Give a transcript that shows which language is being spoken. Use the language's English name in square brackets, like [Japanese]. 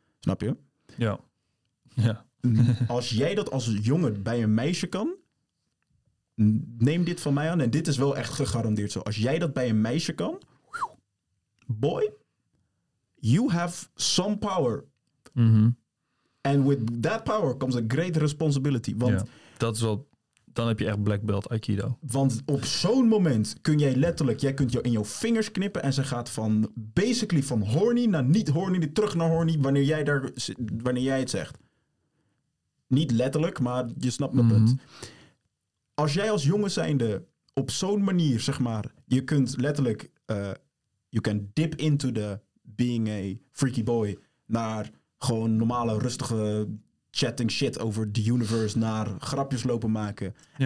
[Dutch] Snap je? Ja. Yeah. Ja. Yeah. Als jij dat als jongen bij een meisje kan, neem dit van mij aan. En dit is wel echt gegarandeerd zo. Als jij dat bij een meisje kan, [English] boy, you have some power. Mm-hmm. And with that power comes a great responsibility. [Dutch] Want ja, dat is wel, dan heb je echt black belt Aikido. Want op zo'n moment kun jij letterlijk, jij kunt jou in jouw vingers knippen en ze gaat van basically van horny naar niet horny, terug naar horny wanneer jij het zegt. niet letterlijk, maar je snapt mijn punt. Als jij als jongen zijnde op zo'n manier, zeg maar, je kunt letterlijk, [English] you can dip into the being a freaky boy [Dutch] naar gewoon normale, rustige [English] chatting shit over the universe, [Dutch] naar grapjes lopen maken. Ja.